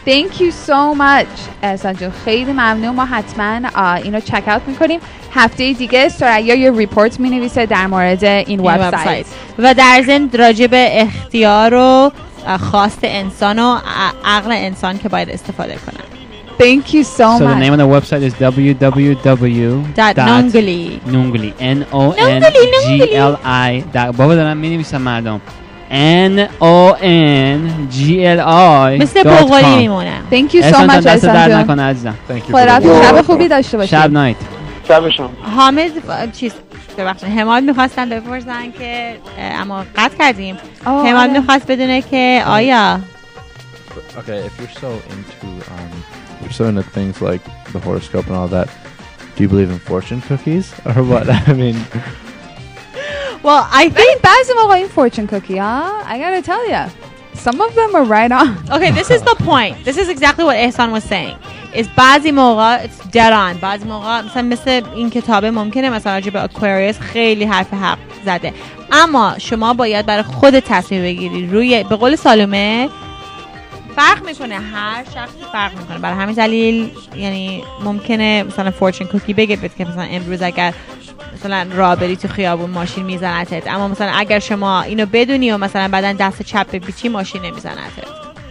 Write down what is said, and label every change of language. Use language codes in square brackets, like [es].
[en] thank you so much [fa] احسان جان خیلی ممنون ما حتما اینو چک اوت میکنیم هفته دیگه سریا یه ریپورت می نویسه در مورد این وبسایت و در ضمن راجب اختیار و خواست انسان و عقل انسان که باید استفاده کنن [en] Thank you so much. So the name of the website is www.nongli. N-O-N-G-L-I. What was that? Meaning with some madam. N-O-N-G-L-I. [fa] مثل بغلی میمونه. [en] Thank you so much. [fa] دست درد نکنه عزیزم. شب خوبی داشته باشید. شب نایت. حامد چیز ببخشید حماد می‌خواستن بپرسن که اما قطع کردیم حماد می‌خواست بدونه که آیا [en] Okay if you're so into you're so into things like the horoscope and all that do you believe in fortune cookies or what I mean Well I think [fa] بعضی موقع این [en] fortune cookie I got to tell you some of them are right on Okay this is the point this is exactly what Ehsan was saying is [fa] بعضی موقع دران بعضی موقع مثل این کتابه ممکنه مثلا راجع به اکواریوس خیلی حرف حق زده اما شما باید برای خود تصمیم بگیرید روی به قول سالومه فرق میکنه هر شخصی فرق میکنه برای همین دلیل یعنی ممکنه مثلا فورچن کوکی بگه بهت که مثلا امروز اگر مثلا رابری تو خیابون ماشین میزنتت اما مثلا اگر شما اینو بدونی و مثلا بعدن دست چپ بپیچی ماشین نمیزنتت